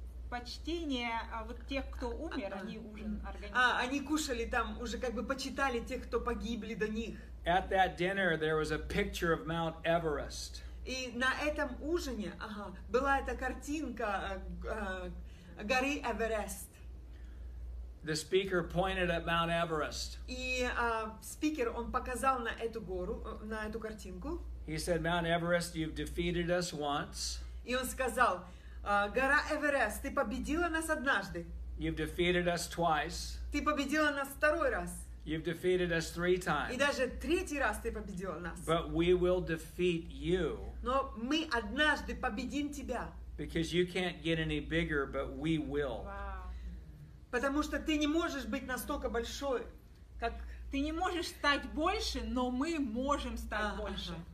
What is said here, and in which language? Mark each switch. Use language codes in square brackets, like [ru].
[ru] Почтение вот тех, кто умер, они ужин организовали. Они кушали там, уже как бы почитали тех, кто погибли до них. [en] At that dinner there was a picture of Mount Everest. [ru] И на этом ужине, была эта картинка горы Эверест. [en] The speaker pointed at Mount Everest. [ru] И спикер, он показал на эту гору, на эту картинку. [en] He said, Mount Everest, you've defeated us once. [ru] И он сказал, гора Эверест, ты победила нас однажды. [en] You've defeated us twice. [ru] Ты победила нас второй раз. [en] You've defeated us three times. [ru] И даже третий раз ты победила нас. [en] But we will defeat you. [ru] Но мы однажды победим тебя. [en] Because you can't get any bigger, but we will. Wow. [ru] Потому что ты не можешь быть настолько большой, как ты не можешь стать больше, но мы можем стать больше.